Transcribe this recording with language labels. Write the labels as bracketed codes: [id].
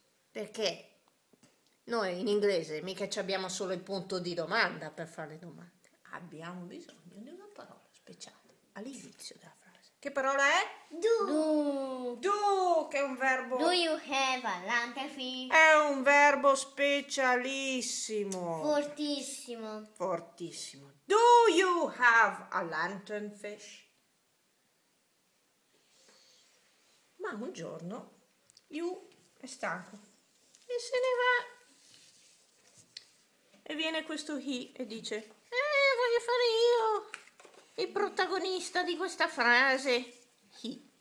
[it] Perché noi in inglese mica ci abbiamo solo il punto di domanda per fare le domande. Abbiamo bisogno di una parola speciale all'inizio della frase. Che parola è? [en] Do. Do, [it] do, che è un verbo. [en] Do you have a lantern? [it] È un verbo specialissimo. Fortissimo. Fortissimo. [en] Do you have a lantern fish? [it] Ma un giorno you è stanco. E se ne va. E viene questo he e dice: voglio fare io il protagonista di questa frase. He.